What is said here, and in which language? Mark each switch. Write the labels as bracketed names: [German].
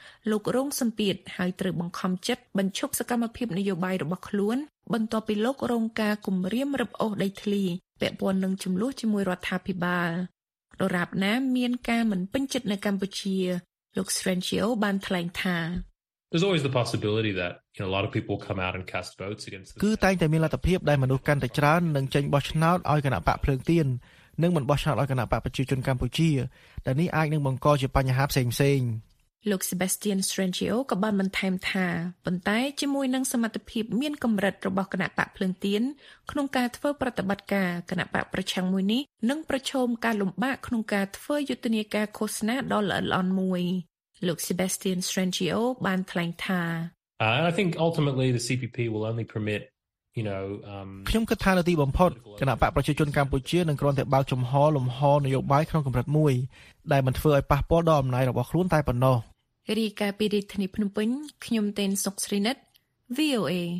[Khmer] លោករងសម្ពាធហើយត្រូវបង្ខំចិត្តបញ្ឈប់សកម្មភាពនយោបាយរបស់ខ្លួនបន្ទាប់ពីលោករងការគំរាមរឹបអូសដីធ្លីពាក់ព័ន្ធនឹងចំនួនជាមួយរដ្ឋាភិបាលដរាបណាមានការមិនពេញចិត្តនៅកម្ពុជាលោក Strangio បានថ្លែងថា [English] There's always the possibility that you know a lot of people come out and cast votes against [Khmer] គឺតែងតែមានលទ្ធភាពដែលមនុស្សកាន់តែច្រើននឹងចេញបោះឆ្នោតឲ្យគណៈបកភ្លើងទៀននិងមិនបោះឆ្នោតឲ្យគណៈបកប្រជាជនកម្ពុជាដែលនេះអាចនឹងបង្កជាបញ្ហាផ្សេងផ្សេង លោក Sebastian Strangio ក៏បានបន្ថែមថាប៉ុន្តែជាមួយនឹងសមត្ថភាពមានកម្រិតរបស់គណៈបកភ្លើងទៀនក្នុងការធ្វើប្រតិបត្តិការគណៈបកប្រឆាំងមួយនេះនឹងប្រឈមការលំបាកក្នុងការធ្វើយុទ្ធនាការឃោសនាដ៏ល្អិតល្អន់មួយលោក Sebastian Strangio បានថ្លែងថា [English] I think ultimately the CPP will only permit you know [Khmer] ខ្ញុំគិតថានៅទីបំផុតគណៈបកប្រជាជនកម្ពុជានឹងគ្រាន់តែបើកចំហលំហនយោបាយក្នុងកម្រិតមួយដែលមិនធ្វើឲ្យប៉ះពាល់ដល់អំណាចរបស់ខ្លួនតែប៉ុណ្ណោះ រីឯការពីរិទ្ធនីភ្នំពេញខ្ញុំតេនសុកស្រីនិត VOA